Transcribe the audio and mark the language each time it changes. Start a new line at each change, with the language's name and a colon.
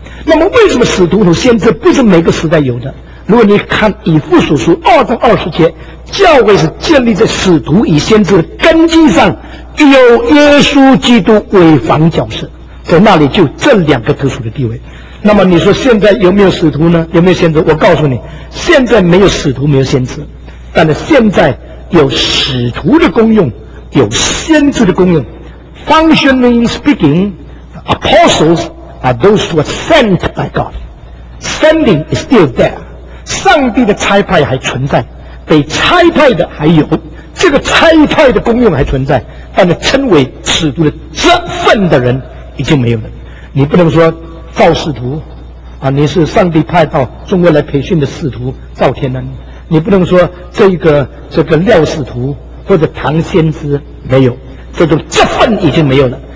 Chinese: 那么，为什么使徒和先知不是每个时代有的？如果你看以弗所书二章二十节，教会是建立在使徒与先知的根基上，有耶稣基督为房角色，在那里就这两个特殊的地位。那么你说现在有没有使徒呢？有没有先知？我告诉你，现在没有使徒，没有先知，但是现在有使徒的功用，有先知的功用。
English: Functionally speaking, apostles are those who are sent by God. Sending is still there.
Chinese: 上帝的差派还存在，被差派的还有，这个差派的功用还存在，但是称为使徒的这份的人已经没有了。你不能说造使徒啊，你是上帝派到中国来培训的使徒赵天恩，你不能说这个廖使徒或者唐先知，没有，这种这份已经没有了。